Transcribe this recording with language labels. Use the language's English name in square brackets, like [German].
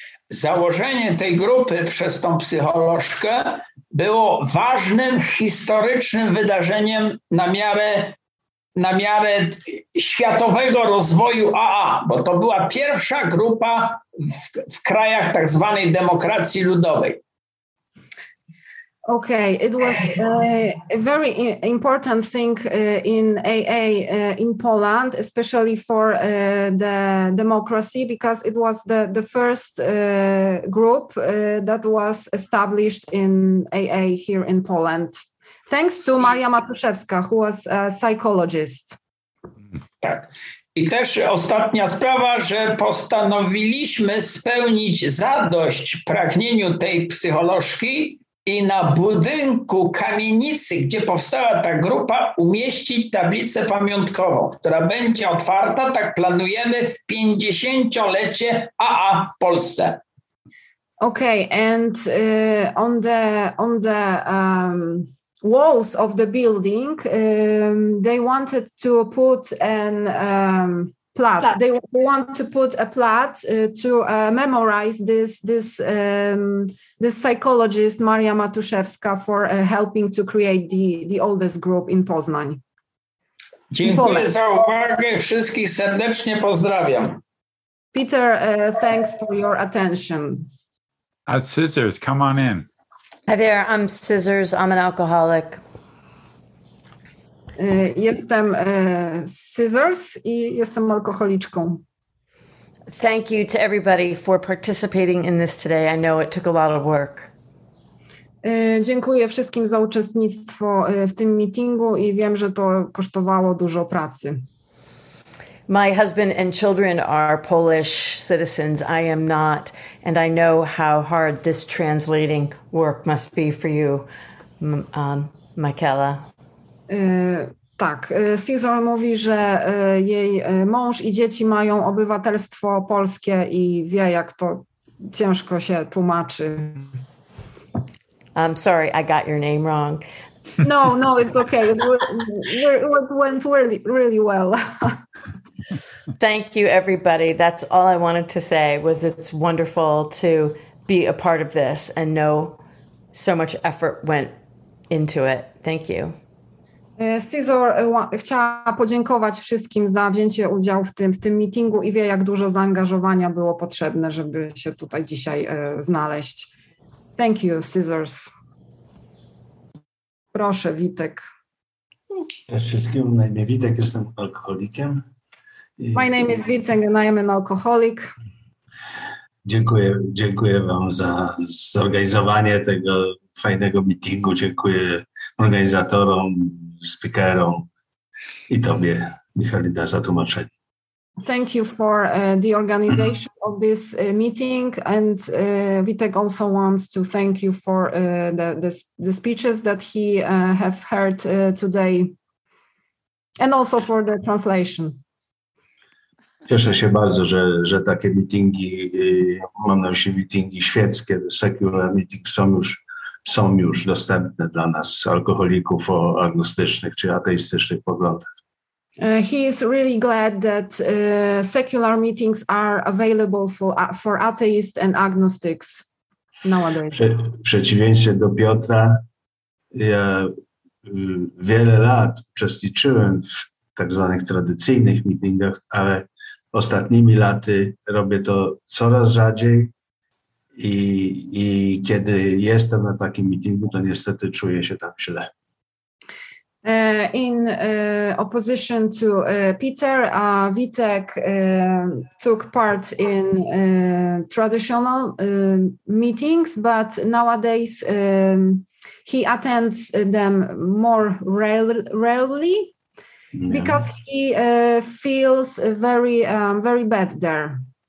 [Polish] Założenie tej grupy przez tą psycholożkę było ważnym historycznym wydarzeniem na miarę światowego rozwoju AA, bo to była pierwsza grupa w krajach tak zwanej demokracji ludowej. [English] Okay, it was a very important thing in AA in Poland, especially for the democracy, because it was the first group that was established in AA here in Poland. Thanks to Maria Matuszewska, who was a psychologist. [Polish] Tak. I też ostatnia sprawa, że postanowiliśmy spełnić zadość pragnieniu tej psycholożki i na budynku kamienicy, gdzie powstała ta grupa, umieścić tablicę pamiątkową, która będzie otwarta, tak planujemy, w 50-lecie AA w Polsce. [English] Okay, and on the walls of the building, they wanted to put an plaque. They want to put a plaque to memorize this psychologist Maria Matuszewska for helping to create the oldest group in Poznań. [Polish] Dziękuję za uwagę. Wszystkich serdecznie pozdrawiam. [English] Peter, thanks for your attention. At Scissors, come on in. Hi there, I'm Scissors. I'm an alcoholic. [Polish] Jestem Scissors i jestem alkoholiczką. [English] thank you to everybody for participating in this today. I know it took a lot of work. [Polish] Dziękuję wszystkim za uczestnictwo w tym meetingu i wiem, że to kosztowało dużo pracy. [English] My husband and children are Polish citizens. I am not, and I know how hard this translating work must be for you, Michaela. [Polish] Tak, Cesar mówi, że jej mąż i dzieci mają obywatelstwo polskie i wie, jak to ciężko się tłumaczy. [English] I'm sorry, I got your name wrong. No, no, it's okay. It went really, really well. Thank you, everybody. That's all I wanted to say, was it's wonderful to be a part of this and know so much effort went into it. Thank you. [Polish] Cesar chciała podziękować wszystkim za wzięcie udziału w tym meetingu i wie, jak dużo zaangażowania było potrzebne, żeby się tutaj dzisiaj znaleźć. [English] Thank you, Scissors. [Polish] Proszę, Witek. Cześć wszystkim, na imię Witek, jestem alkoholikiem. [English] My name is Witek and I am an alcoholic. [Polish] Dziękuję wam za zorganizowanie tego fajnego meetingu. Dziękuję organizatorom, speakerom i tobie, Michalina, za tłumaczenie. [English] Thank you for the organization of this meeting, and Witek also wants to thank you for the speeches that he have heard today, and also for the translation. [Polish] Cieszę się bardzo, że takie meetingi, mam na myśli meetingi świeckie, [English] secular meetings, [Polish] są już dostępne dla nas, alkoholików o agnostycznych czy ateistycznych poglądach. [English] He is really glad that secular meetings are available for atheists and agnostics nowadays. [Polish] W przeciwieństwie do Piotra, ja wiele lat uczestniczyłem w tak zwanych tradycyjnych meetingach, ale ostatnimi laty robię to coraz rzadziej i kiedy jestem na takim meetingu, to niestety czuję się tam źle. [English] In opposition to Peter, Witek took part in traditional meetings, but nowadays he attends them more rarely because he feels very, very bad there.